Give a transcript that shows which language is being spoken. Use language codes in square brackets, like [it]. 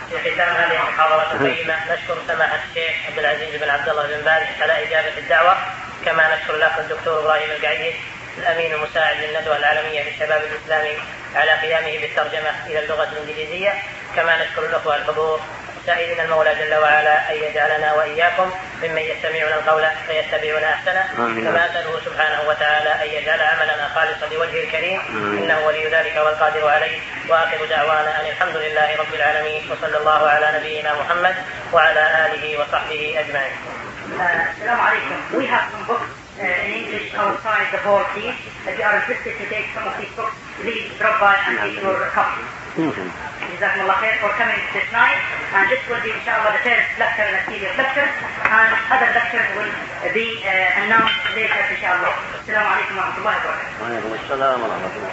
[ar] في ختام هذه المحاضرة الطيبة نشكر سماحة الشيخ عبد العزيز بن عبد الله بن باز على إجابة الدعوة، كما نشكر الأخ الدكتور إبراهيم القعيد الأمين المساعد للندوة العالمية للشباب الإسلامي على قيامه بالترجمة إلى اللغة الإنجليزية، كما نشكر الأخوة الحضور سائلين المولى جل وعلا أن يجعلنا وإياكم ممن يستمعون القول فيتبعون أحسنه، كما أسأله سبحانه وتعالى أن يجعل عملنا خالصا لوجهه الكريم إنه ولي ذلك والقادر عليه. وآخر دعوانا أن الحمد لله رب العالمين، وصلى الله على نبينا محمد وعلى آله وصحبه أجمعين. السلام عليكم. [en] We have some books in English outside the hall, please. If you are interested to take some of these books, please drop by and take your copy. [ar] جزاكم الله خير [en] for coming this night. And this will be, inshallah, the third lecture in a series of lectures. And other lectures will be announced later, inshallah. [ar] السلام عليكم ورحمة الله وبركاته. وعليكم السلام ورحمة الله